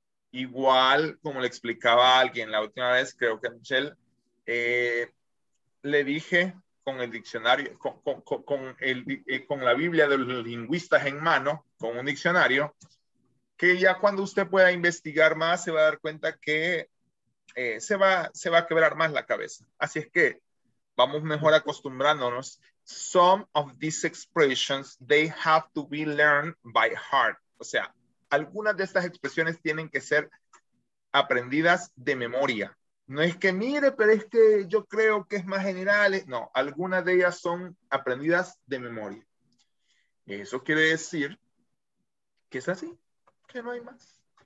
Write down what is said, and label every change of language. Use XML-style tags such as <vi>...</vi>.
<es>Igual, como le explicaba a alguien la última vez, creo que a Michelle, le dije con el diccionario, con la Biblia de los lingüistas en mano, con un diccionario, que ya cuando usted pueda investigar más, se va a dar cuenta que se va a quebrar más la cabeza. Así es que vamos mejor acostumbrándonos.</es> <en>Some of these expressions, they have to be learned by heart.</en> <es>O sea, algunas de estas expresiones tienen que ser aprendidas de memoria. No es que mire, pero es que yo creo que es más general. No, algunas de ellas son aprendidas de memoria. Eso quiere decir que es así, que no hay más.</es>